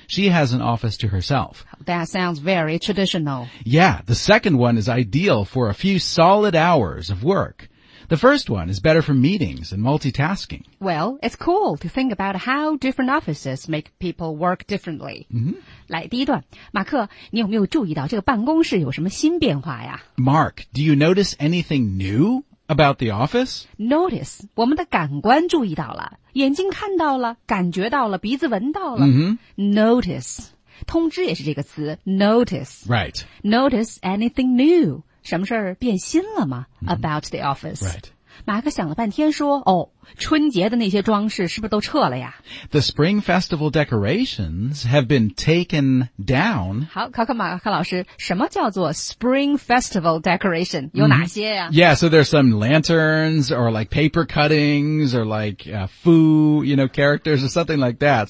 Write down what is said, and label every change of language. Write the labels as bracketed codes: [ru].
[en] She has an office to herself. That sounds very traditional. Yeah, the second one is ideal for a few solid hours of work. The first one is better for meetings and multitasking. Well, it's cool to think about how different offices make people work differently. Mm-hmm. [zh] 来第一段，马克，你有没有注意到这个办公室有什么新变化呀 [en] ？Mark, do you notice anything new about the office? [zh] Notice, 我们的感官注意到了，眼睛看到了，感觉到了，鼻子闻到了。 Mm-hmm. Notice, 通知也是这个词 ，notice. [en] Right. Notice anything new? [zh] 什么事儿变新了吗 [en] ？About the office. Right. [zh] 马克想了半天说哦春节的那些装饰是不是都撤了呀 [en] The spring festival decorations have been taken down. [zh] 好考考马克老师什么叫做 spring festival decoration? 有哪些呀、 [en] Yeah, so there's some lanterns or like paper cuttings or like foo, you know, characters or something like that.